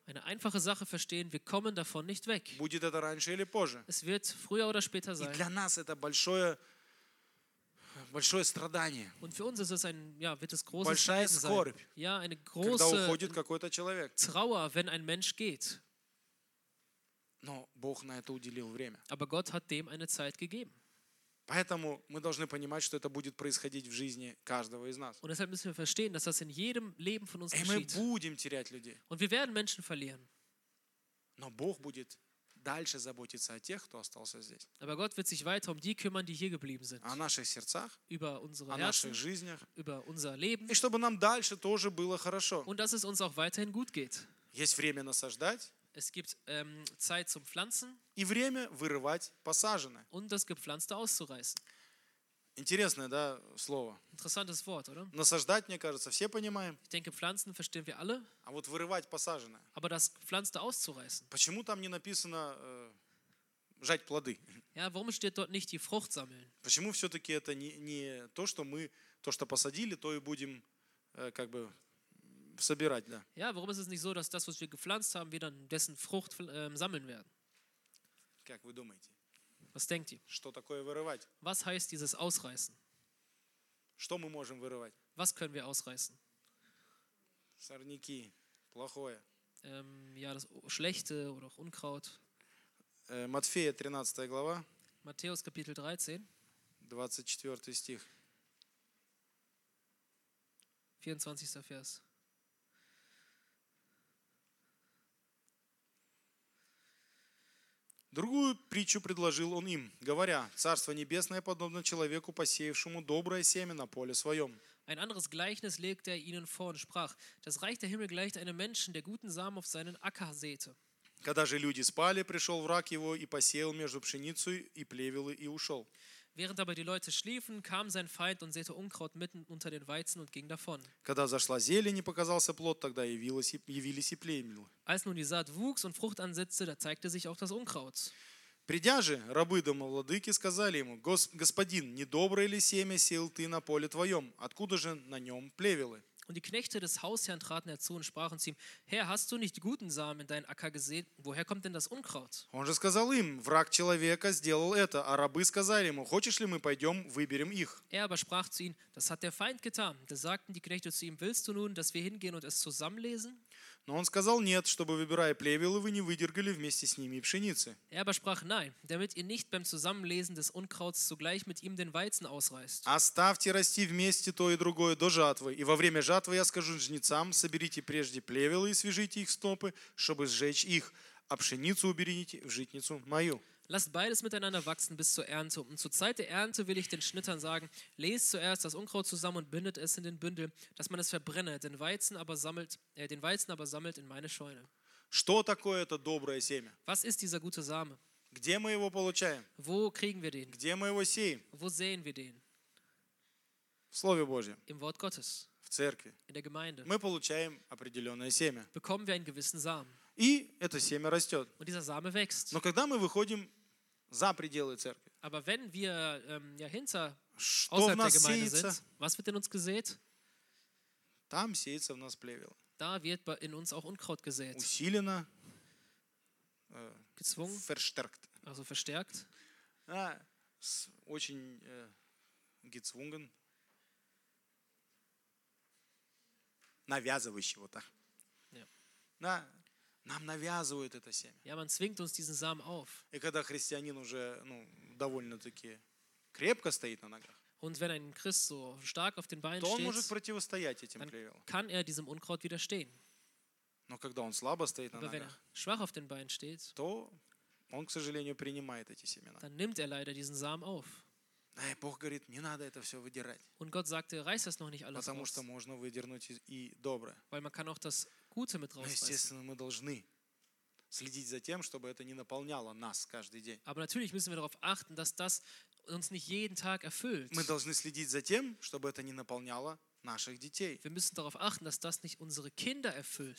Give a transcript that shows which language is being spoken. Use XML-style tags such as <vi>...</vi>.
<de>Eine einfache Sache verstehen, wir kommen davon nicht weg.</de> <ru>Будет это раньше или позже.</ru> <de>Es wird früher oder später sein.</de> <ru>И для нас это большое страдание.</ru> <de>Und für uns ist es ein, ja, wird es großes</de> <ru>Большая</ru> <de>Leiden</de> <ru>скорбь.</ru> <de>Sein. Ja, eine große</de> <ru>когда уходит какой-то человек.</ru> <de>Trauer, wenn ein Mensch geht.</de> <ru>Но Бог на это уделил время.</ru> <de>Aber Gott hat dem eine Zeit gegeben.</de> <ru>Поэтому мы должны понимать, что это будет происходить в жизни каждого из нас.</ru> <de>Und deshalb müssen wir verstehen, dass das in jedem Leben von uns geschieht.</de> <ru>И мы будем терять людей.</ru> <de>Und wir werden Menschen verlieren.</de> <ru>Но Бог будет дальше заботиться о тех, кто остался здесь.</ru> <de>Aber Gott wird sich weiter um die kümmern, die hier geblieben sind.</de> <ru>О наших сердцах,</ru> <de>über unsere Herzen,</de> <ru>о наших жизнях,</ru> <de>über unser Leben.</de> <ru>И чтобы нам дальше тоже было хорошо.</ru> <de>Und dass es uns auch weiterhin gut geht.</de> <ru>Есть время насаждать.</ru> <de>Es gibt Zeit zum Pflanzen</de> <ru>и время вырывать посаженное.</ru> <de>Und das Gepflanzte auszureißen.</de> <ru>Интересное, да, слово.</ru> <de>Interessantes Wort, oder?</de> <ru>Насаждать, мне кажется, все понимаем.</ru> <de>Ich denke, Pflanzen verstehen wir alle.</de> <ru>А вот вырывать посаженное.</ru> <de>Aber das Gepflanzte auszureißen.</de> <ru>Почему там не написано жать плоды?</ru> <de>Ja, warum steht dort nicht die Frucht sammeln?</de> <ru>Почему все-таки это не то, что мы то, что посадили, то и будем как бы собирать, да.</ru> <de>Ja, warum ist es nicht so, dass das, was wir gepflanzt haben, wir dann dessen Frucht sammeln werden?</de> <ru>Как вы думаете?</ru> <de>Was denkt ihr?</de> <ru>Что такое вырывать?</ru> <de>Was heißt dieses Ausreißen?</de> <ru>Что мы можем вырывать?</ru> <de>Was können wir ausreißen?</de> <ru>Сорняки, плохое.</ru> <de>Ja, das Schlechte oder auch Unkraut.</de> <ru>Матфея, 13 глава.</ru> <de>Matthäus, Kapitel 13.</de> <ru>24 стих.</ru> <de>24. Vers.</de> <ru>Другую притчу предложил он им, говоря, «Царство небесное подобно человеку, посеявшему доброе семя на поле своем».</ru> <de>Ein anderes Gleichnis legte er ihnen vor und sprach, «Das Reich der Himmel gleicht einem Menschen, der guten Samen auf seinen Acker säte».</de> <ru>Когда же люди спали, пришел враг его и посеял между пшеницей и плевелы и ушел.</ru> <de>Während aber die Leute schliefen, kam sein Feind und säte Unkraut mitten unter den Weizen und ging davon.</de> <ru>Когда зашла зелень и показался плод, тогда явились и плевелы.</ru> <de>Als nun die Saat wuchs und Frucht ansetzte, da zeigte sich auch das Unkraut.</de> <ru>Придя же, рабы домовладыки сказали ему, «Господин, не доброе ли семя сеял ты на поле твоем? Откуда же на нем плевелы?»</ru> <de>Und die Knechte des Hausherrn traten herzu und sprachen zu ihm, Herr, hast du nicht guten Samen in deinen Acker gesät? Woher kommt denn das Unkraut?</de> <ru>Он же сказал им, враг человека сделал это, а рабы сказали ему, хочешь ли мы пойдем, выберем их?</ru> <de>Er aber sprach zu ihnen, das hat der Feind getan. Da sagten die Knechte zu ihm, willst du nun, dass wir hingehen und es zusammenlesen?</de> <ru>Но он сказал, нет, чтобы, выбирая плевелы, вы не выдергали вместе с ними пшеницы.</ru> <de>Er aber sprach, nein, damit ihr nicht beim Zusammenlesen des Unkrauts zugleich mit ihm den Weizen ausreißt.</de> <ru>Оставьте расти вместе то и другое до жатвы, и во время жатвы я скажу жнецам, соберите прежде плевелы и свяжите их стопы, чтобы сжечь их, а пшеницу уберите в житницу мою.</ru> <de>Lasst beides miteinander wachsen bis zur Ernte. Und zur Zeit der Ernte will ich den Schnittern sagen, lest zuerst das Unkraut zusammen und bindet es in den Bündel, dass man es verbrenne, den Weizen aber sammelt in meine Scheune.</de> <ru>Что такое это доброе семя?</ru> <de>Was ist dieser gute Same?</de> <ru>Где мы его получаем?</ru> <de>Wo kriegen wir den?</de> <ru>Где мы его сеем?</ru> <de>Wo sehen wir den?</de> <ru>В Слове Божьем.</ru> <de>Im Wort Gottes.</de> <ru>В церкви.</ru> <de>In der Gemeinde.</de> <ru>Мы получаем определенное семя.</ru> <de>Bekommen wir einen gewissen Samen.</de> <ru>И это семя растет.</ru> <de>Und dieser Same wächst.</de> <ru>Но когда мы выходим за пределы церкви,</ru> <de>aber wenn wir, ja, hinter,</de> <ru>что</ru> <de>außerhalb</de> <ru>в нас</ru> <de>der Gemeinde</de> <ru>сеется?</ru> <de>Sind, was wird in uns gesät?</de> <ru>Там сеется в нас плевел.</ru> <de>Da wird in uns auch Unkraut gesät.</de> <ru>Усиленно.</ru> <de>Gezwungen. Verstärkt. Also verstärkt. Ja,</de> <ru>очень</ru> <de>gezwungen.</de> <ru>Навязывающего так. Да, нам навязывают это семя.</ru> <de>Ja, man zwingt uns diesen Samen auf.</de> <ru>И когда христианин уже, ну, довольно-таки крепко стоит на ногах.</ru> <de>Und wenn ein Christ so stark auf den Beinen steht, dann</de> <ru>может противостоять этим плевелам.</ru> <de>Kann er diesem Unkraut widerstehen?</de> <ru>Но когда он слабо стоит на ногах,</ru> <de>wenn er schwach auf den Beinen steht,</de> <ru>то он, к сожалению, принимает эти семена.</ru> <de>Dann nimmt er leider diesen Samen auf. Nein,</de> <ru>Бог говорит, не надо это все выдирать.</ru> <de>Und Gott sagte, reiß das noch nicht alles</de> <ru>потому</ru> <de>raus.</de> <ru>Что можно выдернуть и доброе.</ru> <de>Weil man kann auch das Gute mit rausreißen.</de> <ru>Но, естественно, мы должны следить за тем, чтобы это не наполняло нас каждый день.</ru> <de>Aber natürlich müssen wir darauf achten, dass das uns nicht jeden Tag erfüllt.</de> <ru>Мы должны следить за тем, чтобы это не наполняло наших детей.</ru> <de>Wir müssen darauf achten, dass das nicht unsere Kinder erfüllt.</de>